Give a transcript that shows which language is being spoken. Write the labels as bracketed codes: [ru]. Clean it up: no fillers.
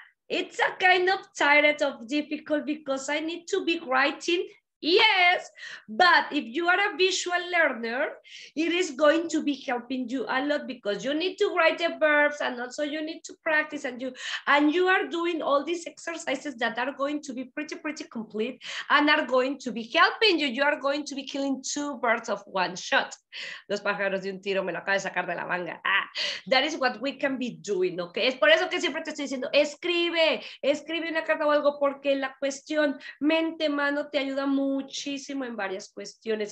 [en] It's a kind of tired of difficult because I need to be writing, yes, but if you are a visual learner, it is going to be helping you a lot because you need to write the verbs and also you need to practice and you are doing all these exercises that are going to be pretty complete and are going to be helping you. You are going to be killing two birds of one shot. [es] Los pájaros de un tiro me lo acaba de sacar de la manga. [en] That is what we can be doing, okay? [es] Es por eso que siempre te estoy diciendo, escribe una carta o algo, porque la cuestión mente-mano te ayuda muchísimo en varias cuestiones.